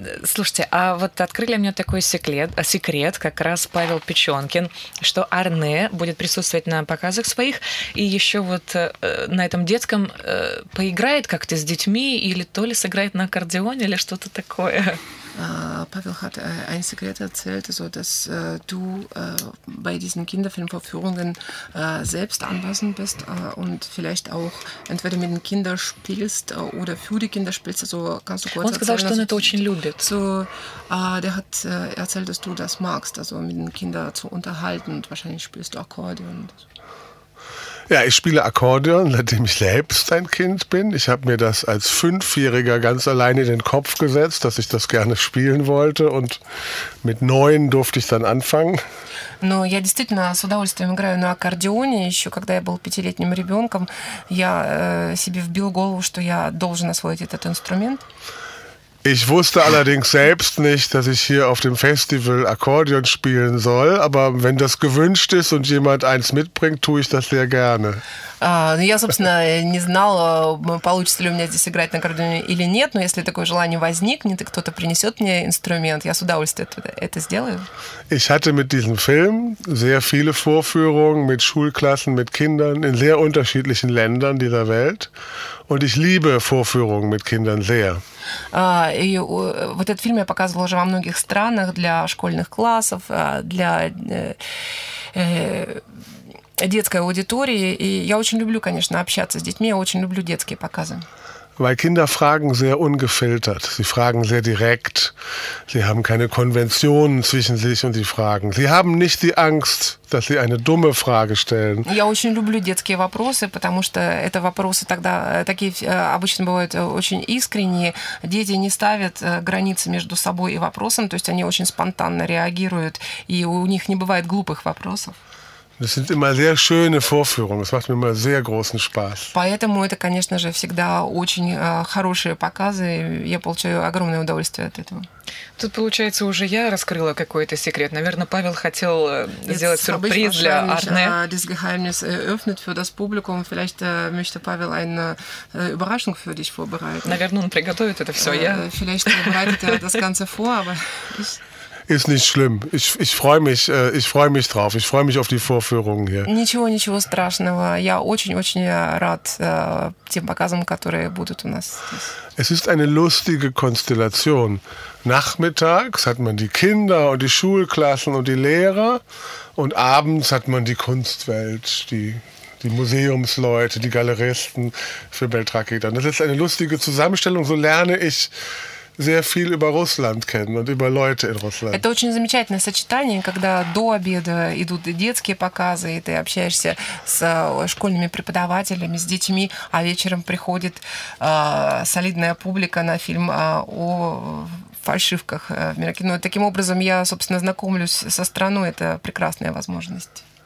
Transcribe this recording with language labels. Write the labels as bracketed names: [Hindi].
[Russian] Слушайте, а вот открыли мне такой секрет, как раз Павел Печенкин, что Арне будет присутствовать на показах своих и еще вот на этом детском поиграет как-то с детьми или то ли сыграет на аккордеоне или что-то такое. [German] Павел hat ein Sekret erzählt, so dass du bei diesen Kinderfilmvorführungen selbst anwesend bist und vielleicht auch entweder mit den Kindern spielst oder für die Kinder spielst, also kannst du kurz erzählen. [Russian] Он сказал, что он это очень любит. [German] So, der hat erzählt, dass du das magst, also mit den Kindern zu unterhalten und wahrscheinlich spielst du Akkordeon. Ja, ich spiele Akkordeon, seitdem ich selbst ein Kind bin. Ich habe mir das als 5-Jähriger ganz alleine in den Kopf gesetzt, dass ich das gerne spielen wollte. Und mit 9 durfte ich dann anfangen. [Russian] Но я действительно с удовольствием играю на аккордеоне. Еще когда я был 5-летним ребенком, я себе вбил голову, что я должен освоить этот инструмент. [German] Ich wusste allerdings selbst nicht, dass ich hier auf dem Festival Akkordeon spielen soll, aber wenn das gewünscht ist und jemand eins mitbringt, tue ich das sehr gerne. [Russian] Я, собственно, не знал, получится ли у меня здесь играть на аккордеоне или нет, но если такое желание возникнет, и кто-то принесет мне инструмент, я с удовольствием это сделаю. [German] Ich hatte mit diesem Film sehr viele Vorführungen mit Schulklassen, mit Kindern in sehr unterschiedlichen Ländern dieser Welt. Und ich liebe Vorführungen mit Kindern sehr. [Russian] Вот этот фильм я показывала уже во многих странах для школьных классов, для детской аудитории. И я очень люблю, конечно, общаться с детьми. Я очень люблю детские показы. [German] Weil Kinder fragen sehr ungefiltert. Sie fragen sehr direkt. Sie haben keine Konventionen zwischen sich und sie fragen. Sie haben nicht die Angst, dass sie eine dumme Frage stellen. [Russian] Я очень люблю детские вопросы, потому что это вопросы тогда такие обычно бывают очень искренние. Дети не ставят границы между собой и вопросом, то есть они очень спонтанно реагируют, и у них не бывает глупых вопросов. [German] Das sind immer sehr schöne Vorführungen. Das macht mir immer sehr großen Spaß. [Russian] Поэтому это, конечно же, всегда очень хорошие показы. Я получаю огромное удовольствие от этого. Тут, получается, уже я раскрыла какой-то секрет. Наверное, Павел хотел сделать сюрприз для Арне. [German] Das Geheimnis eröffnet für das Publikum. Vielleicht möchte Павел eine Überraschung für dich vorbereiten. [Russian] Наверное, он приготовит это все, я. [German] Vielleicht bereitet das Ganze vor, aber ich... Ist nicht schlimm. Ich freue mich drauf. Ich freue mich auf die Vorführungen hier. [Russian] Ничего страшного. Я очень рад тем показам, которые будут у нас. [German] Es ist eine lustige Konstellation. Nachmittags hat man die Kinder und die Schulklassen und die Lehrer und abends hat man die Kunstwelt, die Museumsleute, die Galeristen für Beltracchi. Das ist eine lustige Zusammenstellung. So lerne ich sehr viel über Russland kennen und über Leute in Russland. [Russian] Это очень замечательное сочетание, когда до обеда идут детские показы, и ты общаешься с школьными преподавателями, с детьми, а вечером приходит солидная публика на фильм о фальшивках в Мирокино. Таким образом, я, собственно, знакомлюсь со страной. Это прекрасная возможность.